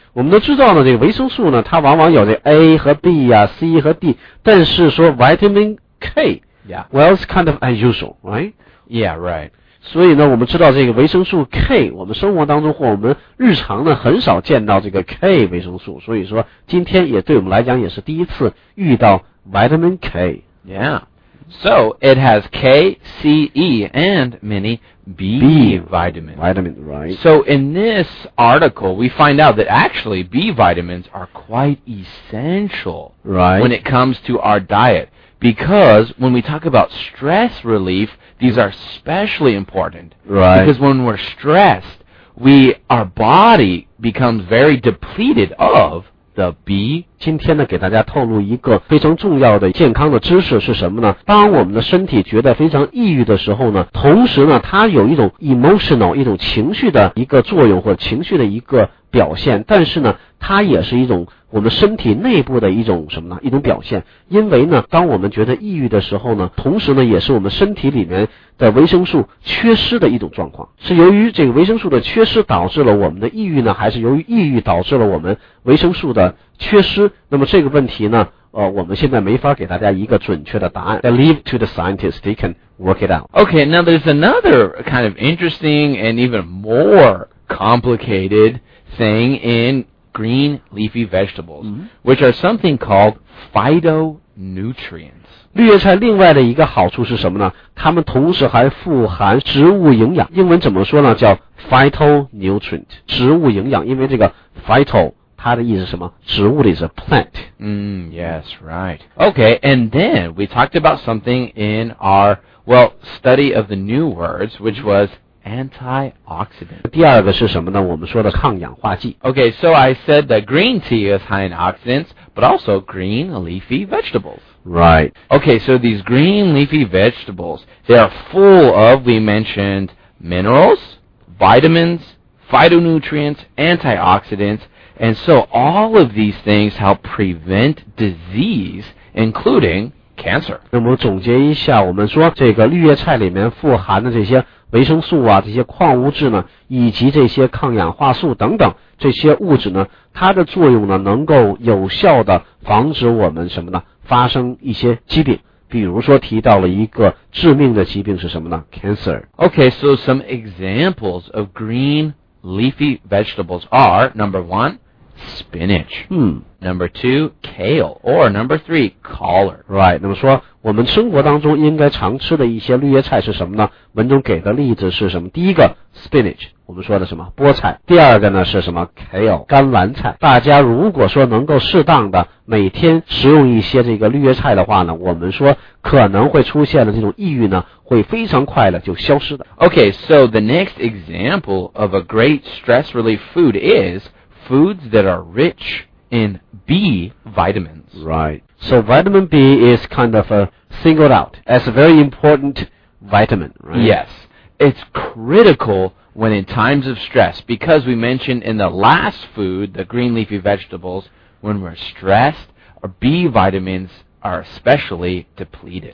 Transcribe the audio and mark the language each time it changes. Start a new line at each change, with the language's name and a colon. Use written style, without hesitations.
Chinese: 我们都知道呢，这个维生素呢，它往往有这 A 和 B 啊 ，C 和 D， 但是说 vitamin K,
English: yeah. Well, it's kind of unusual, right? Yeah, right.
Chinese: 所以呢我们知道这个维生素 K 我们生活当中或我们日常呢很少见到这个 K 维生素，所以说今天也对我们来讲也是第一次遇到 vitamin K。
English: Yeah, so it has K, C, E and many B, B vitamins. Vitamin, right. So in this article we find out that actually B vitamins are quite essential, right, when it comes to our dietBecause when we talk about stress relief, these are especially important. Right. Because when we're stressed, our body becomes very depleted of the B.
Chinese: 今天呢给大家透露一个非常重要的健康的知识是什么呢？当我们的身体觉得非常抑郁的时候呢，同时呢它有一种 emotional, 一种情绪的一个作用或者情绪的一个表现，但是呢它也是一种我们身体内部的一种什么呢，一种表现。因为呢当我们觉得抑郁的时候呢，同时呢也是我们身体里面的维生素缺失的一种状况。是由于这个维生素的缺失导致了我们的抑郁呢，还是由于抑郁导致了我们维生素的缺失？那么这个问题呢我们现在没法给大家一个准确的答案。
English: They leave to the scientists, they can work it out. Okay, now there's another kind of interesting and even more complicated thing in green leafy vegetables, which are something called phytonutrients.
Chinese: 绿叶菜另外的一个好处是什么呢？它们同时还富含植物营养。英文怎么说呢？叫 phytonutrient, 植物营养。因为这个 phyto,它的意思是什么？植物的意思 ,plant.
English: Yes, right. Okay, and then we talked about something in our, well, study of the new words, which was antioxidant.
Chinese: 第二个是什么呢？我们说的抗氧化剂。
English: Okay, so I said that green tea is high in oxidants, but also green leafy vegetables. Right. Okay, so these green leafy vegetables, they are full of, we mentioned, minerals, vitamins, phytonutrients, antioxidants,And so all of these things help prevent disease, including cancer.
Chinese: 那么总结一下，我们说这个绿叶菜里面富含的这些维生素啊，这些矿物质呢，以及这些抗氧化素等等这些物质呢，它的作用呢，能够有效的防止我们什么呢？发生一些疾病。比如说提到了一个致命的疾病是什么呢 ？Cancer.
English: Okay, so some examples of green leafy vegetables are number one. Spinach. Number two, kale. Or number three, collard. Right.
Chinese: 那么说我们生活当中应该常吃的一些绿叶菜是什么呢？文中给的例子是什么？第一个 spinach, 我们说的什么？菠菜。第二个呢是什么？kale, 甘蓝菜。大家如果说能够适当的每天食用一些这个绿叶菜的话呢，我们说可能会出现的这种抑郁呢会非常快的就消失的。
English: Okay, so the next example of a great stress relief food isfoods that are rich in B vitamins. Right. So vitamin B is kind of singled out as a very important vitamin, right? Yes. It's critical when in times of stress, because we mentioned in the last food, the green leafy vegetables, when we're stressed, our B vitamins are especially depleted.